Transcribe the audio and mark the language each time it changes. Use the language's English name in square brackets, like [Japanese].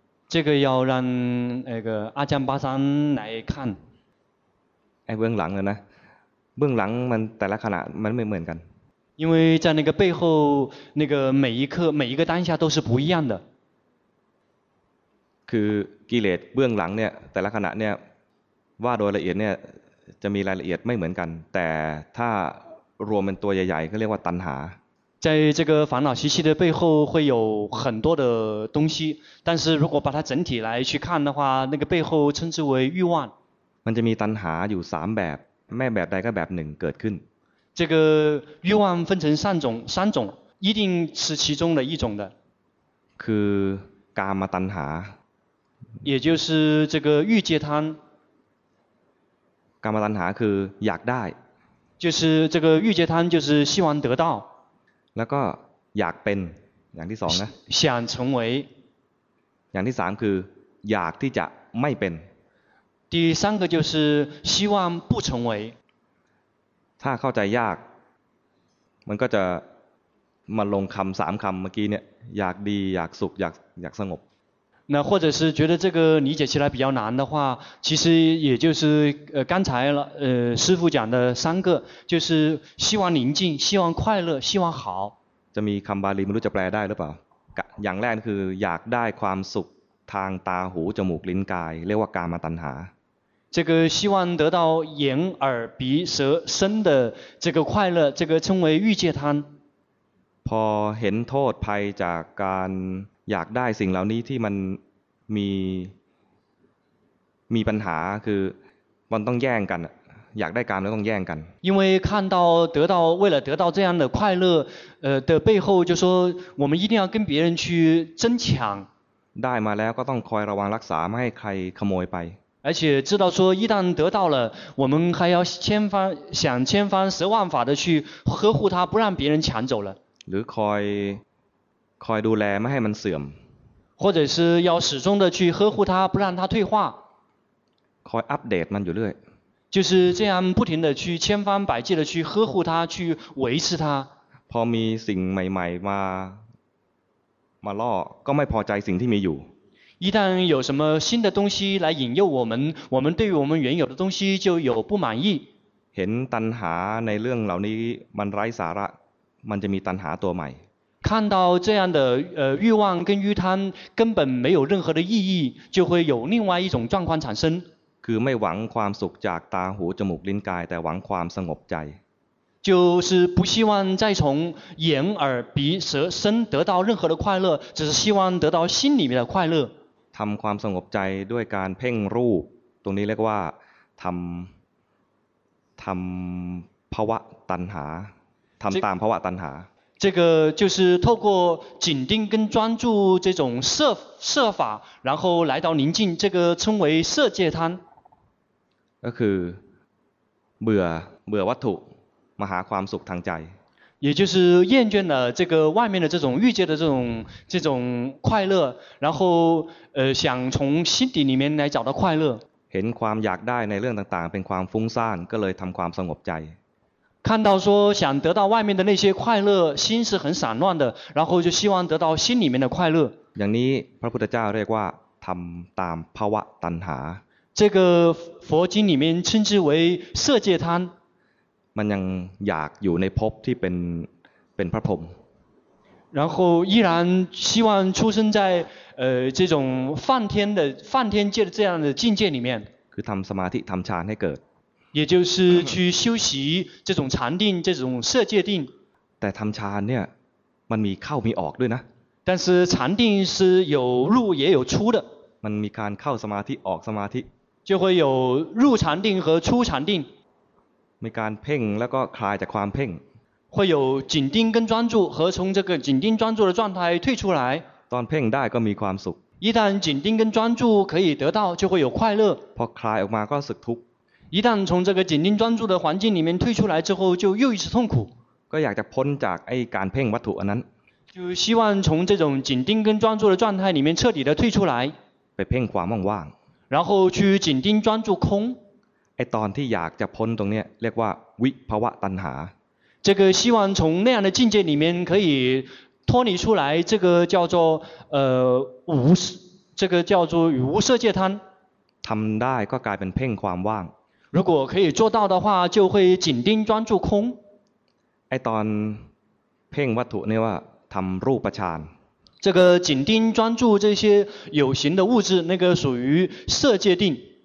[Chinese] 这个要让那个阿江巴山来看 [Thai] 哎，เบื้องหลังนะเบื้องหลังมันแต่ละขณะมันไม่เหมือนกัน [Chinese] 因为在那个背后那个每一刻每一个当下都是不一样的 [Thai] คือกิเลสเบื้องหลังเนี่ยแต่ละขณะเนี่ยว่าโดยละเอียดเนี่ยจะมีรายละเอียดไม่เหมือนกันแต่ถ้ารวมเป็นตัวใหญ่ๆก็เรียกว่าตัณหา [Chinese] 在这个烦恼习气的背后会有很多的东西但是如果把它整体来去看的话那个背后称之为欲望 [Thai] มันจะมีตัณหาอยู่3แบบแม่แบบใดก็แบบหนึ่งเกิดขึ้น [Chinese] 这个欲望分成三种一定是其中的一种的 [Thai] คือกามตัณหา [Chinese] 也就是这个欲界贪 [Thai] กามตัณหาคืออยากได้ [Chinese] 就是这个欲界贪就是希望得到 [Thai] แล้วก็อยากเป็นอย่างที่สองนะ [Chinese] 想成为 [Thai] อย่างที่สามคืออยากที่จะไม่เป็น [Chinese] 第三个就是希望不成为 [Thai] ถ้าเข้าใจยากมันก็จะมาลงคำสามคำเมื่อกี้เนี่ยอยากดีอยากสุขอยากสงบ [Chinese] 那或者是觉得这个理解起来比较难的话其实也就是刚才师父讲的三个就是希望宁静希望快乐希望好 [Thai] จะมีคำบาลีไม่รู้จะแปลได้หรือเปล่าอย่างแรกคืออยากได้ความสุขทางตาหูจมูกลิ้นกายเรียกว่ากามตัณหา [Chinese] 这个希望得到眼耳鼻舌身的这个快乐这个称为欲界贪 [Thai] พอเห็นโทษภัยจากการอยากได้สิ่งเหล่านี้ที่มันมีปัญหาคือมันต้องแย่งกันอยากได้กามแล้วต้องแย่งกัน [Chinese] 因为看到得到为了得到这样的快乐的背后就说我们一定要跟别人去争抢 [Thai] ได้มาแล้วก็ต้องคอยระวังรักษาไม่ให้ใครขโมยไป [Chinese] 而且知道说一旦得到了我们还要千方十万法的去呵护它不让别人抢走了 [Thai] หรือคอยดูแลไม่ให้มันเสื่อม [Chinese] 或者是要始终的去呵护它不让它退化 [Thai] คอยอัปเดตมันอยู่เรื่อย [Chinese] 就是这样不停的去千方百计的去呵护它去维持它 [Thai] พอมีสิ่งใหม่ๆมาล่อก็ไม่พอใจสิ่งที่มีอยู่ [Chinese] 一旦有什么新的东西来引诱我们对于我们原有的东西就有不满意 [Thai] เห็นตัณหาในเรื่องเหล่านี้มันไร้สาระมันจะมีตัณหาตัวใหม่ [Chinese] 看到这样的欲望跟欲贪根本没有任何的意义就会有另外一种状况产生 [Thai] คือไม่หวังความสุขจากตาหูจมูกลิ้นกายแต่หวังความสงบใจ [Chinese] 就是不希望再从眼耳鼻舌身得到任何的快乐只是希望得到心里面的快乐 [Thai] ทำความสงบใจด้วยการเพ่งรูปตรงนี้เรียกว่าทำภวะตัณหาทำตามภวะตัณหา [Chinese] 这个就是透过紧盯跟专注这种摄法然后来到宁静这个称为摄界贪 [Thai] ก็คือเบื่อวัตถุมาหาความสุขทางใจ [Chinese] 也就是厌倦了这个外面的这种欲界的这种快乐然后想从心底里面来找到快乐 [Thai] เห็นความอยากได้ในเรื่องต่างๆเป็นความฟุ้งซ่านก็เลยทำความสงบใจ [Chinese] 看到说想得到外面的那些快乐心是很散乱的然后就希望得到心里面的快乐 [Thai] อย่างนี้พระพุทธเจ้าเรียกว่าทำตามภวะตัณหา [Chinese] 这个佛经里面称之为色界贪 [Thai] มันยังอยากอยู่ในภพที่เป็นพระพรหม [Chinese] 然后依然希望出生在这种梵天界的这样的境界里面 [Thai] คือทำสมาธิทำฌานให้เกิด [Chinese] 也就是去修习这种禅定这种色界定 [Thai] แต่ทำฌานเนี่ยมันมีเข้ามีออกด้วยนะ [Chinese] 但是禅定是有入也有出的 [Thai] มันมีการเข้าสมาธิออกสมาธิ [Chinese] 就会有入禅定和出禅定 [Thai] มีการเพ่งแล้วก็คลายจากความเพ่ง [Chinese] 会有紧盯跟专注和从这个紧盯专注的状态退出来 [Thai] ตอนเพ่งได้ก็มีความสุข [Chinese] 一旦紧盯跟专注可以得到就会有快乐 [Thai] พอคลายออกมาก็สึกทุก [Chinese] 一旦从这个紧盯专注的环境里面退出来之后就又一次痛苦 [Thai] ก็อยากจะพ้นจากไอ้การเพ่งวัตถุอันนั้น [Chinese] 就希望从这种紧盯跟专注的状态里面彻底的退出来 [Thai] ไปเพ่งความว่าง [Chinese] ๆ然后去紧盯专注空 [Thai] ไอ้ตอนที่อยากจะพ้นตรงเนี้ยเรียกว่าวิภวะตัณหา [Chinese] 这个希望从那样的境界里面可以脱离出来这个叫做无这个叫做无色界贪 [Thai] ทำได้ก็กลายเป็นเพ่งความว่าง [Chinese] 如果可以做到的话就会紧盯专注空 [Thai] ไอ้ตอนเพ่งวัตถุเนี่ยว่าทำรูปฌาน [Chinese] 这个紧盯专注这些有形的物质那个属于色界定